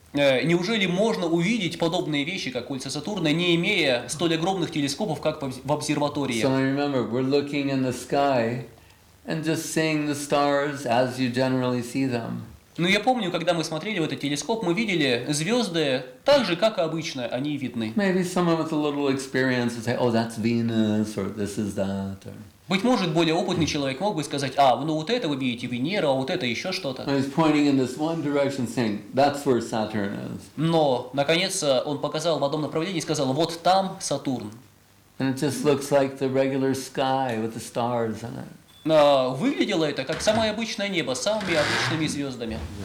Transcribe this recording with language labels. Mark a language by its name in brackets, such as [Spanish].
[Russian] Неужели можно увидеть подобные вещи, как кольца Сатурна, не имея столь огромных телескопов, как в обсерватории? [English] So I remember, we're looking in the sky and just seeing the stars as you generally see them. [Russian] Но я помню, когда мы смотрели в этот телескоп, мы видели звезды так же, как и обычно, они видны. [English] Maybe someone with a little experience would say, oh, that's Venus, or this is that, or... [Russian] Быть может, более опытный человек мог бы сказать, ну вот это вы видите, Венера, а вот это еще что-то. [English] He's pointing in this one direction, saying, that's where Saturn is. [Russian] Но, наконец, он показал в одном направлении и сказал, вот там Сатурн. [English] And it just looks like the regular sky with the stars in it. [Russian] Выглядело это как самое обычное небо, с самыми обычными звездами.